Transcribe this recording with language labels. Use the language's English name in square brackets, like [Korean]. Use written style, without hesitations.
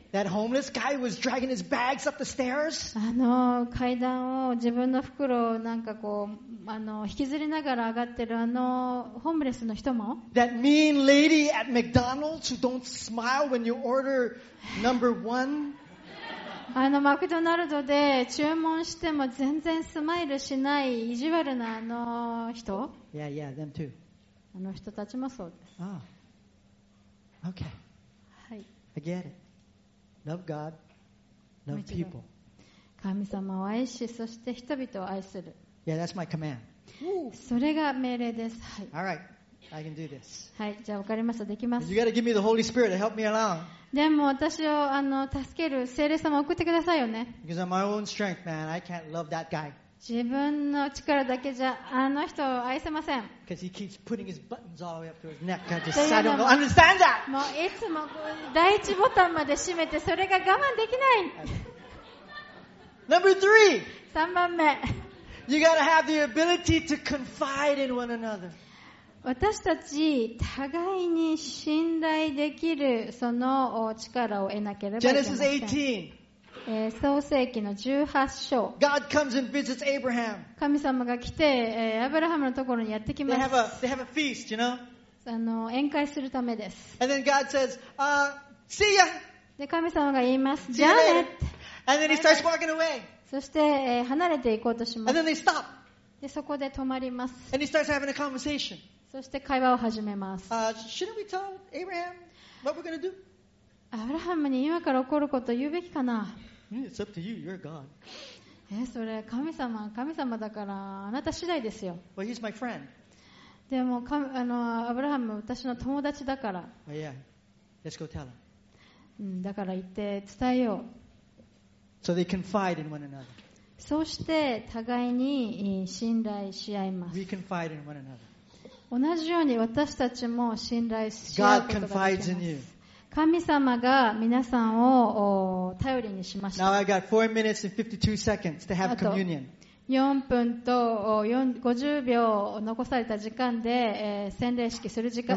[English] That homeless guy was dragging his bags up the stairs. [Japanese] 階段を自分の袋をなんかこう引きずりながら上がってるホームレスの人も、 [English] That mean lady at McDonald's who don't smile when you order number one. [Japanese] マクドナルドで注文しても全然スマイルしない意地悪な人、 [English] Yeah, yeah, them too. [Japanese] 人たちもそうです。 [English] Okay. I get it. Love God. Love people. [Japanese] 神様を愛し、そして人々を愛する。 [English] Yeah, that's my command. [Japanese] それが命令です。はい。 [English] All right. I can do this. [Japanese] はい。じゃあ分かりました。できます。 [English] You gotta give me the Holy Spirit to help me along. [Japanese] でも私を助ける聖霊様を送ってくださいよね。 [English] Because of my own strength, man, I can't love that guy. [Japanese] 自分の力だけじゃ人を愛せません。 [English] Because he keeps putting his buttons all the way up to his neck. I don't understand that. [Japanese] もういつも第一ボタンまで閉めてそれが我慢できない。 [English] Number three. [Japanese] 三番目。 [English] You gotta have the ability to confide in one another. [Japanese] 私たち互いに信頼できるその力を得なければいけません。 [English] Genesis 18. [Japanese] 創世記の18章。 [English] God comes and visits Abraham. [Japanese] 神様が来て、アブラハムのところにやってきます。 [English] They have a feast, you know? [Japanese] 宴会するためです。 [English] And then God says, see ya! [Japanese] で、神様が言います。じゃあね。 [English] And then he starts walking away. [Japanese] そして、離れていこうとします。 [English] And then they stop. [Japanese] で、そこで止まります。 [English] And he starts having a conversation. [Japanese] そして会話を始めます。 [English] Shouldn't we tell Abraham what we're gonna do? [Japanese] アブラハムに今から起こることを言うべきかな。 [English] It's up to you. You're God. [Japanese] それ神様だからあなた次第ですよ。 [English] Well, he's my friend. [Japanese] でもアブラハム私の友達だから。 [English] Well, yeah. Let's go tell him. [Japanese] だから言って伝えよう。 [English] So they confide in one another. [Japanese] そして互いに信頼し合います。 [English] We confide in one another. [Japanese] 同じように私たちも信頼し合うことができます。 [English] God confides in you. [Japanese] 神様が皆さんを頼りにしました。 [English] Now I got 4 minutes and 52 seconds to have communion. [Japanese] 4分と50秒残された時間で洗礼式する時間